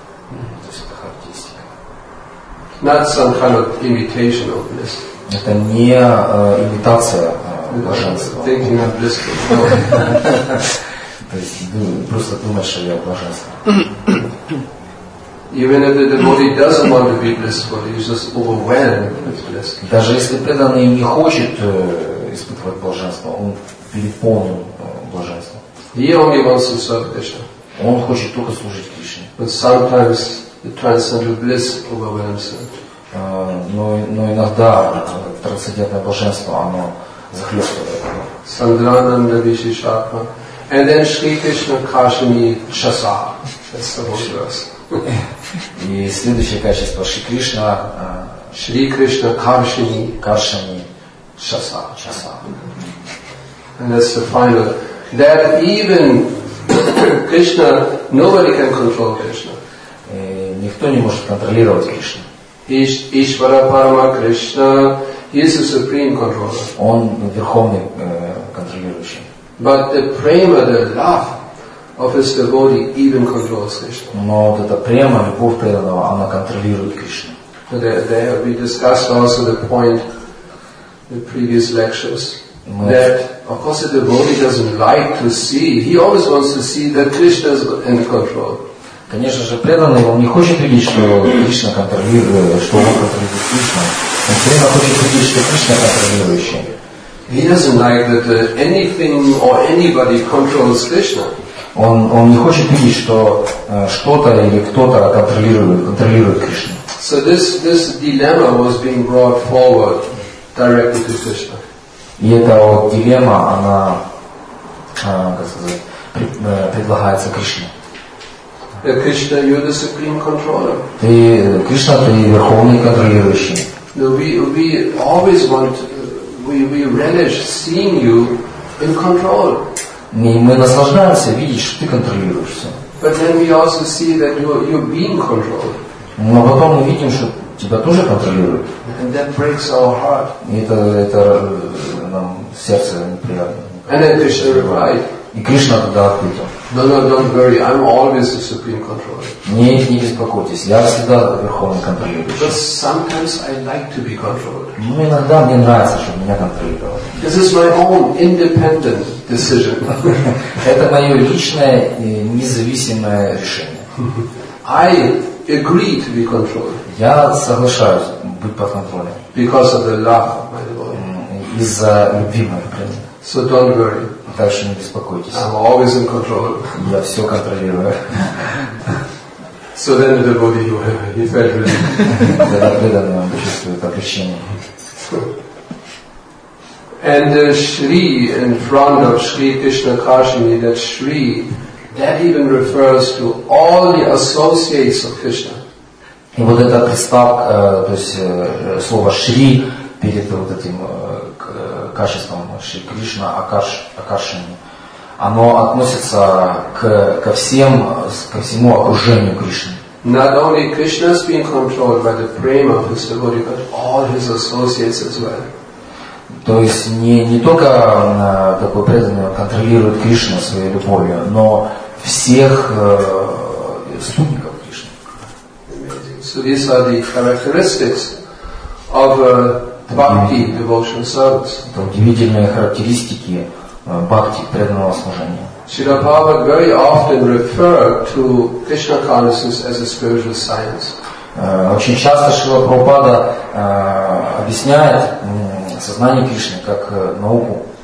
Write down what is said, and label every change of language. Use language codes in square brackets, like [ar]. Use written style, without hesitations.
[ru] То есть это характеристика. [en] Not some kind of imitation of bliss. [ru] Это не имитация блаженства. [en] Thinking of bliss. [ru] То есть просто думаешь, что я блаженство. [en] Even if the devotee doesn't want to be blissful, he's just overwhelmed with bliss. [ru] Даже если преданный не хочет испытывать блаженство, он переполнен блаженством. [en] He only wants to serve Krishna. [ru] Он хочет только служить Кришне. [en] But sometimes the transcendental bliss overwhelms him. [ru] Но иногда трансцендентное блаженство оно захлестывает. [sa] Сандрананда Вишишатма. [en] And then [sa] Shri Krishna Kashmi Chasa. [en] That's the whole verse. [ru] И следующее качество Шри Кришна. [sa] Шри Кришна Кашми. Кашми Часа. [en] And that's the final that even Krishna, nobody can control Krishna. [ru] Никто не может контролировать Кришну. [sa] Ишвара Парама Кришна, [en] he is the supreme controller. [ru] Он верховный контролирующий. [en] But the prema, the love of his devotee even controls Krishna. [ru] Но вот эта према, любовь преданного, она контролирует Кришну. [en] There we discussed also the point in the previous lectures. That of course the devotee doesn't like to see. He always wants to see that Krishna is in control. [ru] Конечно же, преданный, он не хочет видеть, что Кришна контролирует, что он контролирует Кришна. Он все время хочет видеть, что Кришна контролирующий. [en] He doesn't like that anything or anybody controls Krishna. [ru] Он не хочет видеть, что что-то или кто-то контролирует Кришну. [en] So this dilemma was being brought forward directly to Krishna. [ru] И эта вот дилемма, она, как сказать, предлагается Кришне. [en] Krishna, you're the supreme controller. [ru] Ты, Кришна, ты верховный контролирующий. [en] No, we always want, we relish seeing you in control. [ru] Мы наслаждаемся видеть, что ты контролируешь все. [en] But then we also see that you're being controlled. [ru] Но потом мы видим, что тебя тоже контролируют. [en] And that breaks our heart. [ru] Это нам сердце неприятно. [en] And then Krishna replied. [ru] И Кришна тогда ответил. [en] No, no, don't worry. I'm always the supreme controller. [ru] Не беспокойтесь. Я всегда верховный контролирующий. [en] Because sometimes I like to be controlled. [ru] Но иногда мне нравится, чтобы меня контролировали. [en] This is my own independent decision. [ru] Это мое личное независимое решение. [en] I agree to be controlled. [ru] Я соглашаюсь быть под контролем. [en] Because of the love of my devotee. [ru] Из-за любви моей. [en] So don't worry. [ru] Так что не беспокойтесь. [en] I'm always in control. [ru] Я все контролирую. [en] So then the devotee, he felt relieved. [ru] Тогда преданный он чувствует облегчение. [en] And Shri, in front of Shri Krishna Kashini, that Shri, that even refers to all the associates of Krishna. [ru] И вот эта приставка, то есть слово Шри перед вот этим качеством Шри Кришна, Акашини, оно относится ко всему окружению Кришны. [en] Not only Krishna is being controlled by the prema of his devotee, but all his associates as well. [ru] То есть не только такой преданный контролирует Кришну своей любовью, но всех спутников Кришны. [en] So these are the characteristics of bhakti, devotional service. [ru] Это удивительные характеристики бхакти, преданного служения. [en] Srila Prabhupada very often referred to Krishna consciousness as a spiritual science. [ru] Очень часто Шрила Прабхупада объясняет сознание Кришны как науку.